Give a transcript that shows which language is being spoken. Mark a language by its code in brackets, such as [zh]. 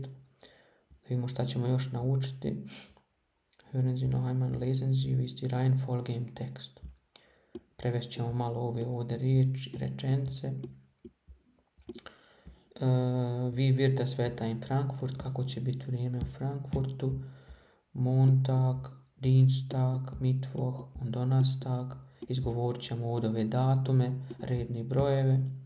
[bs] Da vidimo šta ćemo još naučiti. [de] Hören Sie noch einmal, lesen Sie, wie ist die Reihenfolge im Text. [bs] Prevest ćemo malo ovdje riječi, rečence. [de] Wie wird das Wetter in Frankfurt? [bs] Kako će biti vrijeme u Frankfurtu? [de] Montag, Dienstag, Mittwoch und Donnerstag. [bs] Izgovorit ćemo ovdje ove datume, redni brojeve.